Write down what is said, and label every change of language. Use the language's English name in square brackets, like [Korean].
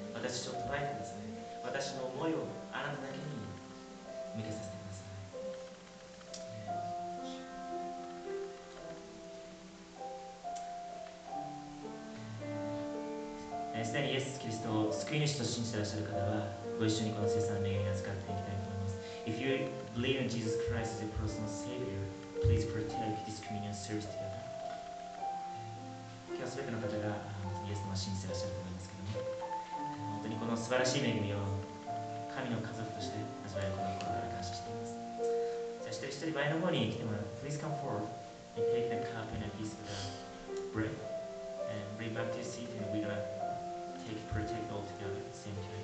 [Japanese] 私たちを捉えてください。私の思いをあなただけに向けさせてください。すでにイエス・キリストを救い主と信じていらっしゃる方は、ご一緒にこの聖餐の恵みに預かっていきたいと思います。 [English] If you believe in Jesus Christ as your personal Savior, please partake this communion service together. [Japanese] 今日は全ての方がイエス様を信じていらっしゃると思うんですけども、本当にこの素晴らしい恵みを神の家族として味わえることを感謝しています。じゃあ一人一人前の方に来てもらう。 [English] Please come forward and take the cup and a piece of the bread and bring back to your seat and we're gonna take partake all together at the same time.